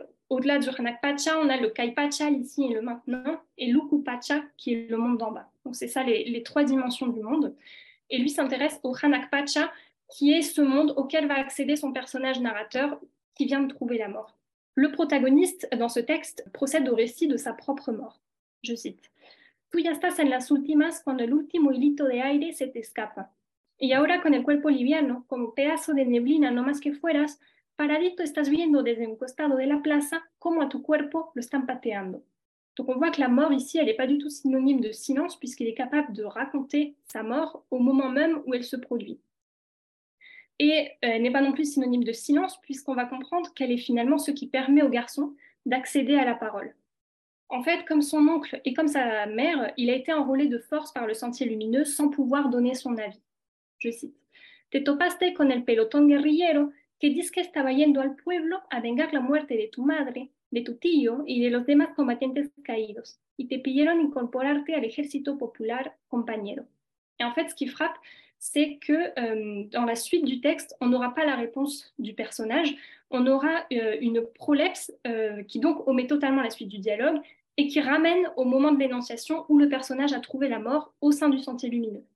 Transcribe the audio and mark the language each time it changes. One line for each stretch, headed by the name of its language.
French: Au-delà du Janak Pacha, on a le Kai Pacha, ici et le maintenant, et l'Uku Pacha, qui est le monde d'en bas. Donc c'est ça les trois dimensions du monde. Et lui s'intéresse au Janak Pacha, qui est ce monde auquel va accéder son personnage narrateur qui vient de trouver la mort. Le protagoniste, dans ce texte, procède au récit de sa propre mort. Je cite:
Spanish: « Tu ya estás en las últimas cuando el último hilito de aire se te escapa. Y ahora con el cuerpo liviano, como pedazo de neblina no más que fueras, paradito estás viendo desde un costado de la plaza cómo a tu cuerpo lo están pateando. »
French: Donc on voit que la mort ici, elle n'est pas du tout synonyme de silence puisqu'il est capable de raconter sa mort au moment même où elle se produit. Et elle n'est pas non plus synonyme de silence puisqu'on va comprendre qu'elle est finalement ce qui permet au garçon d'accéder à la parole. En fait, comme son oncle et comme sa mère, il a été enrôlé de force par le sentier lumineux sans pouvoir donner son avis. Je cite:
Spanish: «Te topaste con el pelotón guerrillero que dice que estaba yendo al pueblo a vengar la muerte de tu madre, de tu tío y de los demás combatientes caídos, y te pidieron incorporarte al ejército popular, compañero».
French: Et en fait, ce qui frappe, c'est que dans la suite du texte, on n'aura pas la réponse du personnage, on aura une prolepse qui donc omet totalement la suite du dialogue et qui ramène au moment de l'énonciation où le personnage a trouvé la mort au sein du sentier lumineux.